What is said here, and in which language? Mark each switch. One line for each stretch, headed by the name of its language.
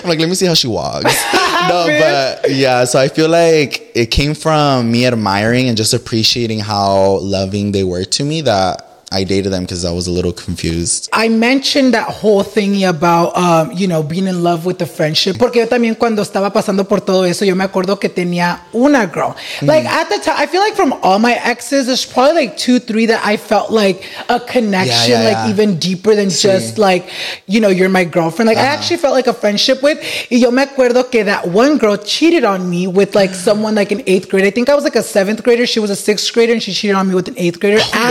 English: I'm like, let me see how she walks. No, but yeah, so I feel like it came from me admiring and just appreciating how loving they were to me that I dated them because I was a little confused. I mentioned that whole thingy about, you know, being in love with the friendship.
Spanish: Porque yo también cuando estaba pasando por todo eso, yo me acuerdo que tenía una girl.
English: Like, at the time, I feel like from all my exes, there's probably like 2-3 that I felt like a connection, even deeper than just like, you know, you're my girlfriend. Like, I actually felt like a friendship with.
Spanish: Y yo me acuerdo que
English: that one girl cheated on me with like someone like in 8th grade. I think I was like a 7th grader. She was a 6th grader and she cheated on me with an 8th grader.